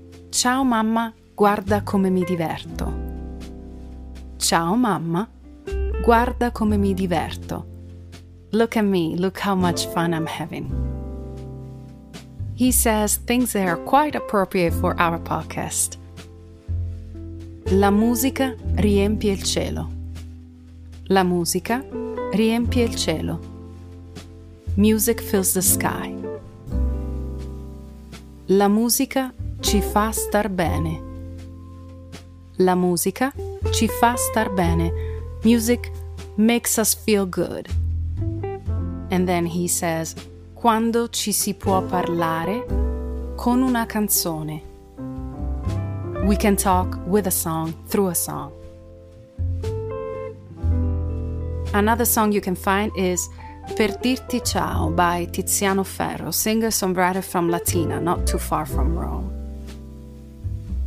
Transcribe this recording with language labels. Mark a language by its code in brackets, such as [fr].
[it] Ciao mamma, guarda come mi diverto. Ciao mamma, guarda come mi diverto. [en] Look at me, look how much fun I'm having. He says things that are quite appropriate for our podcast. [it] La musica riempie il cielo. La musica riempie il cielo. [en] Music fills the sky. [it] La musica ci fa star bene. La musica ci fa star bene. [en] Music makes us feel good. And then he says, [it] quando ci si può parlare con una canzone. [en] We can talk with a song, through a song. Another song you can find is Per dirti ciao by Tiziano Ferro, singer-songwriter from Latina, not too far from Rome.